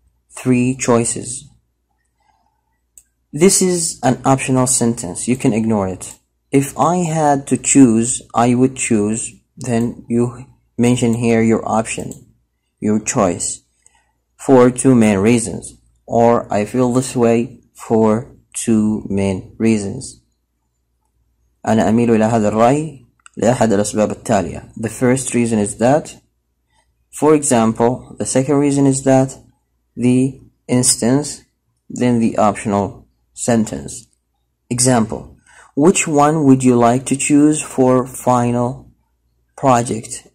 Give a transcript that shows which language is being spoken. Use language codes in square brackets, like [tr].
[en] Three choices. This is an optional sentence. You can ignore it. If I had to choose, I would choose. Then you mention here your option. your choice for two main reasons, or I feel this way for two main reasons. [ar] أنا أميل إلى هذا الرأي لأحد الأسباب التالية. [en] The first reason is that, for example, the second reason is that, the instance, then the optional sentence. Example, which one would you like to choose for final project?